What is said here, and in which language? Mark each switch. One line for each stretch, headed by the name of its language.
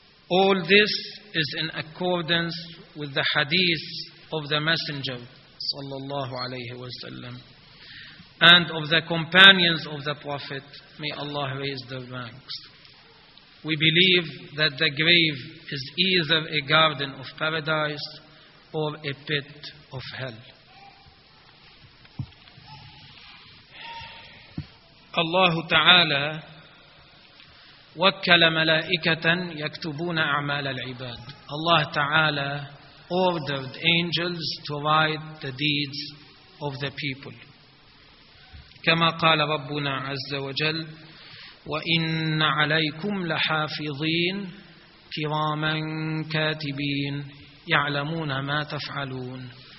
English: All this is in accordance with the hadith of the Messenger
Arabic: sallallahu alayhi wa sallam
English: and of the companions of the Prophet, may Allah raise their ranks. We believe that the grave is either a garden of paradise or a pit of hell.
Arabic: Allah Ta'ala وَكَّلَ مَلَائِكَةً يَكْتُبُونَ أَعْمَالَ الْعِبَادِ.
English: Allah Ta'ala ordered angels to write the deeds of the people.
Arabic: كما قال ربنا عز وجل وَإِنَّ عَلَيْكُمْ لَحَافِظِينَ كِرَامًا كَاتِبِينَ يَعْلَمُونَ مَا تَفْعَلُونَ.